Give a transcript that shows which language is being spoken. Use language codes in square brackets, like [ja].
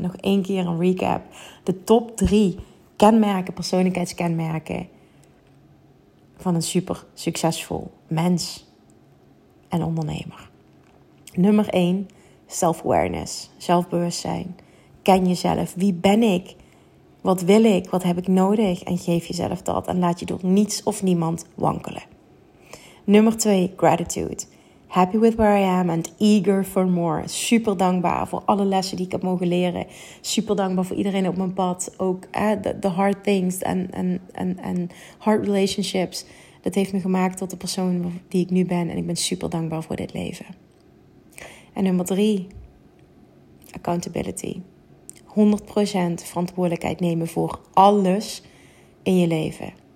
[nl] Nog één keer een recap. De top 3 kenmerken, persoonlijkheidskenmerken van een super succesvol mens en ondernemer. Nummer 1, self-awareness, zelfbewustzijn. Ken jezelf, wie ben ik? Wat wil ik? Wat heb ik nodig? En geef jezelf dat en laat je door niets of niemand wankelen. Nummer 2, gratitude. [en] Happy with where I am and eager for more. [nl] Super dankbaar voor alle lessen die ik heb mogen leren. Super dankbaar voor iedereen op mijn pad. [en] Ook the hard things en hard relationships. [nl] Dat heeft me gemaakt tot de persoon die ik nu ben. En ik ben super dankbaar voor dit leven. En nummer 3, accountability. 100% verantwoordelijkheid nemen voor alles in je leven.